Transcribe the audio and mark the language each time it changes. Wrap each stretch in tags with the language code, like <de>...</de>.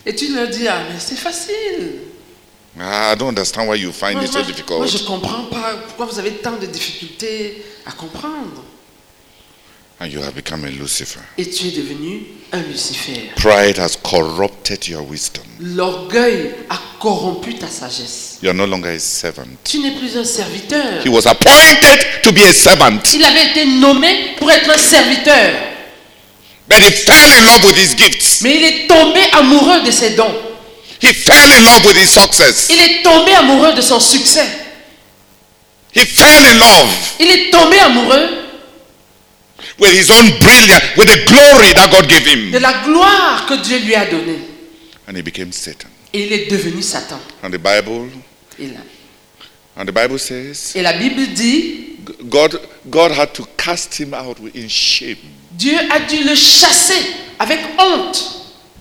<fr>Et tu leur dis, ah, mais c'est facile.</fr> <en>Ah, I don't understand why you find it so difficult.</en> <fr>Moi, je comprends pas pourquoi vous avez tant de difficultés à comprendre.</fr> <en>And you have become a Lucifer.</en> <fr>Et tu es devenu un Lucifer.</fr> <en>Pride has corrupted your wisdom.</en> <fr>L'orgueil a corrompu ta sagesse.</fr> <en>You are no longer a servant.</en> <fr>Tu n'es plus un serviteur.</fr> <en>He was appointed to be a servant.</en> <fr>Il avait été nommé pour être un serviteur.</fr> <en>But he fell in love with his gifts.</en> <fr>Mais il est tombé amoureux de ses dons.</fr> <en>He fell in love with his success.</en> <fr>Il est tombé amoureux de son succès.</fr> <en>He fell in love.</en> <fr>Il est tombé amoureux.</fr> <en>With his own brilliance, with the glory that God gave him.</en> <fr>De la gloire que Dieu lui a donnée.</fr> <en>And he became Satan.</en> <fr>Et il est devenu Satan.</fr> <en>And the Bible. And the Bible says.</en> <fr>Et la Bible dit.</fr> <en>God had to cast him out in shame.</en> <fr>Dieu a dû le chasser avec honte.</fr>